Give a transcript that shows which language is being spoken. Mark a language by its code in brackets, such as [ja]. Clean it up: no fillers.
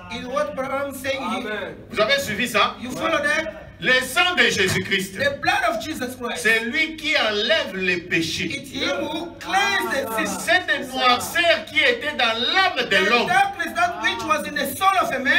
[en] In what Branham saying here. [fr] Vous avez suivi ça? [en] You follow that? [fr] Le sang de Jésus-Christ. [en] The blood of Jesus Christ. [fr] C'est lui qui enlève les péchés. [en] It's him who cleanses. [fr] C'est cette noirceur qui était dans l'âme de l'homme. [en] The darkness that which was in the soul of a man.